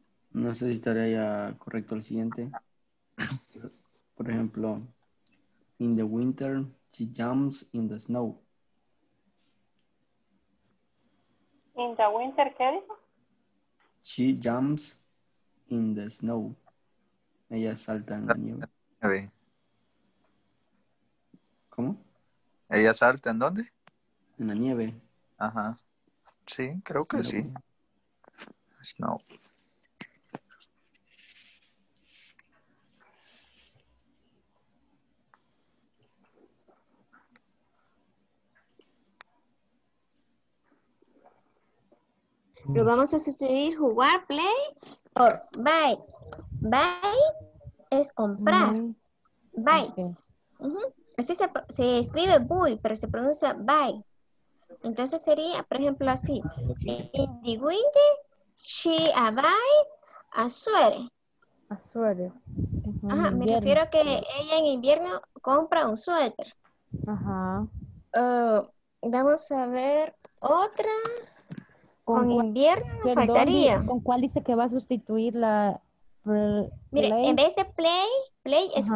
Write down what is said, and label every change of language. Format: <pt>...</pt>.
<es>No sé si estaría ya correcto el siguiente. Por ejemplo,</es> <en>in the winter, she jumps in the snow. In the winter,</en> <es>¿qué dijo?</es> <en>She jumps in the snow.</en> <es>Ella salta en la nieve. ¿Cómo? ¿Ella salta en dónde? En la nieve. Ajá. Sí, creo que sí. Snow. Lo vamos a sustituir jugar, play, por buy. Buy es comprar. Buy. Okay. Uh-huh. Así se escribe buy, pero se pronuncia buy. Entonces sería, por ejemplo, así.</es> <en>In the winter, she a buy a sweater. A sweater.</en> <es>Uh-huh, ajá, me refiero a que ella en invierno compra un suéter. Ajá. Vamos a ver otra. ¿Con cuál, invierno perdón, faltaría? ¿Con cuál dice que va a sustituir la... Mire, en vez de play, play es uh-huh.</es>